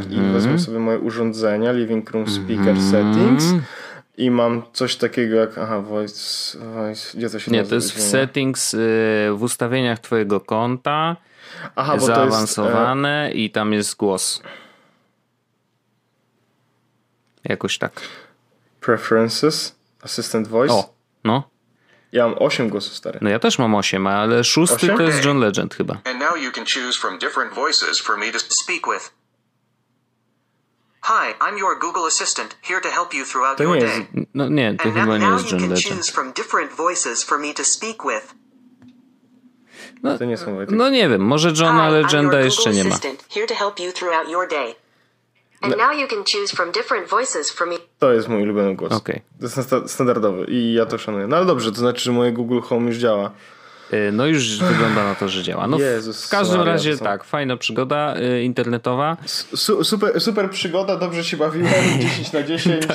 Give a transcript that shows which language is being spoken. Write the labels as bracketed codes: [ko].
[pl] Mm-hmm. I wezmę sobie moje urządzenia, Living Room Speaker mm-hmm. Settings. I mam coś takiego jak, aha, voice, gdzie to się nie, to jest w settings, w ustawieniach twojego konta, aha, bo zaawansowane to jest, i tam jest głos. Jakoś tak. [en] Preferences, assistant voice. [pl] O, no. Ja mam 8 głosów, stary. No ja też mam 8, ale 6 to jest John Legend chyba. [en] And now you can choose from different voices for me to speak with. Hi, I'm your Google Assistant, here to help you throughout your day. [pl] No nie, to and chyba nie jest John Legend. [en] And now you can choose from different voices for me to speak with. No, [pl] to nie są [en] voice. [pl] No nie wiem, może John Legenda jeszcze nie ma. [en] Here to help you throughout your day. And now you can choose from different voices for me. [pl] To jest mój ulubiony głos. [en] Okay. [pl] To jest standardowy i ja to szanuję. No ale dobrze, to znaczy, że moje Google Home już działa. No już wygląda na to, że działa. No Jezus, w każdym razie tak, fajna przygoda internetowa. Super przygoda, dobrze się bawiłem, 10/10.